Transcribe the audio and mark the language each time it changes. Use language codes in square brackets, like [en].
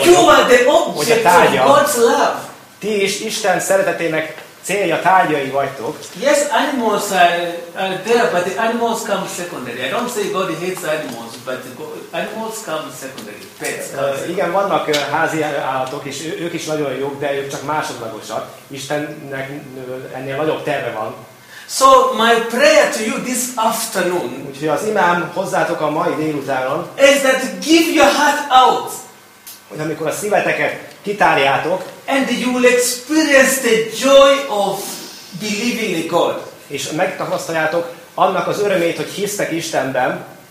[en] You are the object of God's love. [hu] Ti is Isten szeretetének célja, tárgyai vagytok. [en] Yes, animals are there, but the animals come secondary. I don't say God hates animals, but animals come secondary. Pets come secondary. [hu] Igen, vannak házi állatok, és ők is nagyon jók, de ők csak másodlagosak. Istennek ennél nagyobb terve van. [en] So my prayer to you this afternoon. [hu] Úgyhogy az imám hozzátok a mai délutánon. [en] Is that give your heart out. [hu] Hogy amikor a szíveteket kitárjátok. [en] And you will experience the joy of believing in God. [hu] És megtapasztaljátok annak az örömét, hogy hisztek Istenben.